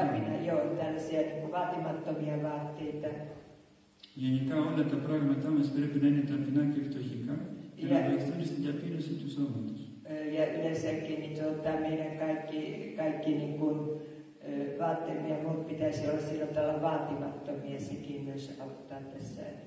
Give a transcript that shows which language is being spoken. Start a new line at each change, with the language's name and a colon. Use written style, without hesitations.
Finnish: Ταπεινά, joo, tällaisia vaatimattomia vaatteita.
Greek: Γενικά όλα τα πράγματά μας πρέπει να είναι ταπεινά και φτωχικά και να βοηθούν στην ταπείνωση του σώματος.
Finnish: Ja yleensäkin, meidän kaikki vaatteita ja muut pitäisi olla sillä tavalla vaatimattomia, sekin myös auttaa tässä